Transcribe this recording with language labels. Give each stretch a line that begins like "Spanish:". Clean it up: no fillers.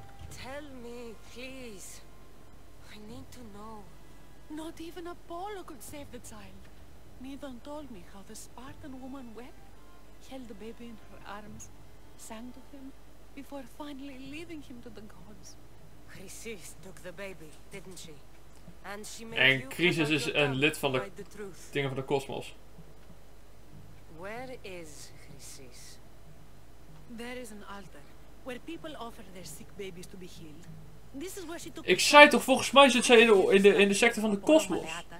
English: Tell me, please. I need to know. Not even Apollo could save the child. Midon told me how the Spartan woman wept, held the baby in her arms, sang to him, before finally leaving him to the gods. Chrysis took the baby, didn't she? And she made
Dutch: en Chrysis is een lid van de dingen van de kosmos.
English: Where is Chrysis? There is an altar where people offer their sick babies to be healed. This is where she took.
Dutch: Ik zei toch, volgens mij zit ze in de secte van de kosmos.